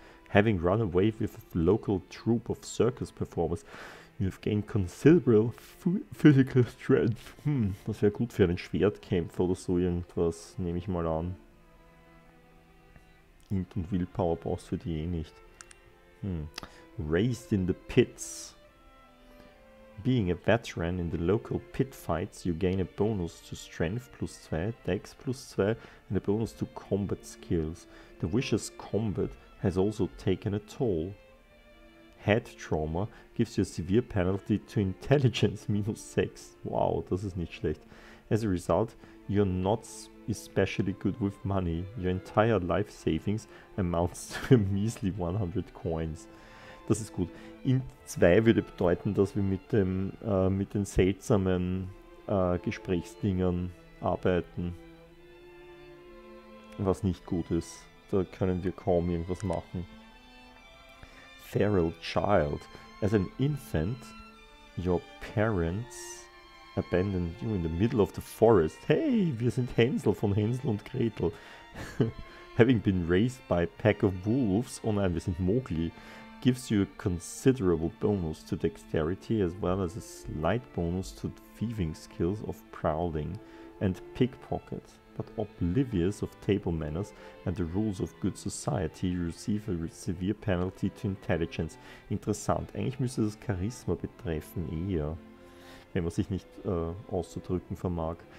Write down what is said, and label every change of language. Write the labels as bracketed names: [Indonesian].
[English] Having run away with a local troop of circus performers, you have gained considerable physical strength. [German] Das wäre gut für einen Schwertkämpfer oder so irgendwas, nehme ich mal an. Int und Willpower brauchst du die eh nicht. [English] Raised in the pits. Being a veteran in the local pit fights, you gain a bonus to strength plus 2, dex plus 2 and a bonus to combat skills. The wishes combat has also taken a toll. Head trauma gives you a severe penalty to intelligence minus 6. [German] Wow, das ist nicht schlecht. [English] As a result, you're not especially good with money. Your entire life savings amounts to a measly 100 coins. [German] Das ist gut. Int 2 würde bedeuten, dass wir mit dem mit den seltsamen Gesprächsdingern arbeiten. Was nicht gut ist. Da können wir kaum irgendwas machen. [English] Feral Child. As an infant, your parents abandoned you in the middle of the forest. [German] Hey, wir sind Hänsel von Hänsel und Gretel. [English] Having been raised by a pack of wolves. [German] Oh nein, wir sind Mowgli. [English] Gives you a considerable bonus to dexterity as well as a slight bonus to thieving skills of prowling and pickpocket. But oblivious of table manners and the rules of good society, you receive a severe penalty to intelligence. [German] Interessant. Eigentlich müsste das Charisma betreffen eher, wenn man sich nicht auszudrücken vermag.